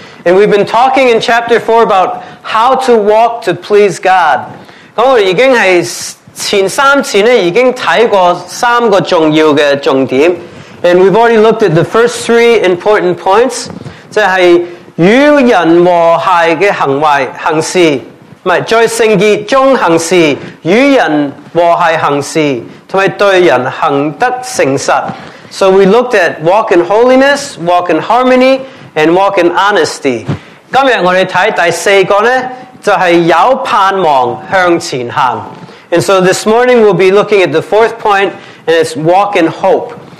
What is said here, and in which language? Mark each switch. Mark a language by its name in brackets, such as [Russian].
[English] And we've been talking in chapter 4 about how to walk to please God. [Chinese] 我们已经是前三次呢，已经看过三个重要的重点。 [English] And we've already looked at the first three important points. [Chinese] 就是与人和谐的行为行事。不是，在圣洁中行事，与人和谐行事，同埋对人行得诚实。 [English] So we looked at walk in holiness, walk in harmony,and walk in honesty. [Chinese] 今天我们看第四个呢，就是有盼望向前行。 [English] And so this morning we'll be looking at the fourth point, and it's walk in hope.